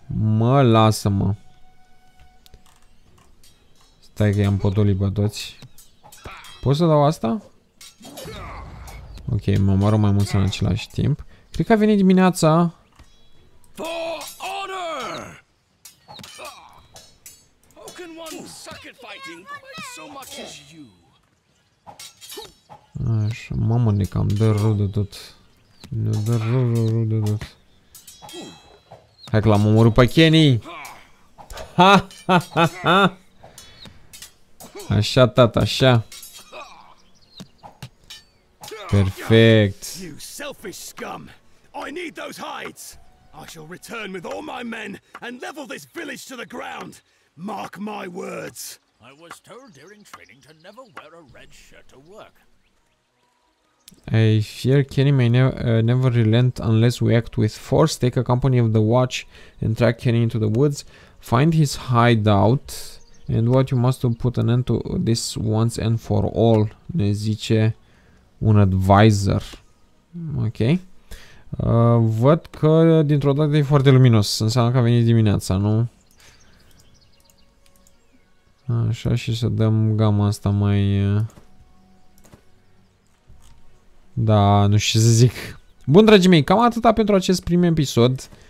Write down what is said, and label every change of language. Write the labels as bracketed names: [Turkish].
[Romanian] Mă, lasă-mă. Stai că i-am potolit pe toți. Poți să dau asta? Ok, mă omoară mai mult în același timp. Cred că a venit dimineața. [English] For honor! How can one suck at fighting so much as you? [Romanian] Așa, mamă, ne cam dă rău de tot. Ne dă rău de tot. Hai că l-am omorât pe Kenny. Ha, ha, ha, ha. Așa, tata, așa. [English] Perfect. You selfish scum. I need those hides. I shall return with all my men and level this village to the ground. Mark my words. I was told during training to never wear a red shirt to work. I fear Kenny may never relent unless we act with force. Take a company of the watch and track Kenny into the woods. Find his hideout and what you must to put an end to this once and for all. [Romanian] Ne zice un advisor. Ok. Văd că dintr-o dată e foarte luminos. Înseamnă că a venit dimineața, nu? Așa, și să dăm gama asta mai... Da, nu știu ce să zic. Bun, dragii mei, cam atâta pentru acest prim episod.